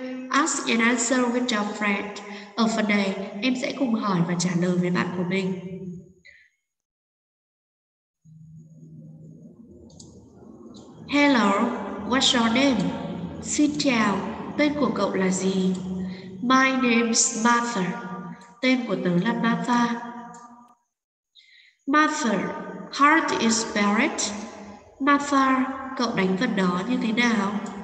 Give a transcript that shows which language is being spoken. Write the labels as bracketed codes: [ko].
[en] Ask and answer with your friend. [vi] Ở phần này, em sẽ cùng hỏi và trả lời với bạn của mình. [en] Hello, what's your name? [vi] Xin chào, tên của cậu là gì? [en] My name's Martha. [vi] Tên của tớ là Martha. [en] Martha, how do you spell it? [vi] Martha, cậu đánh vần đó như thế nào?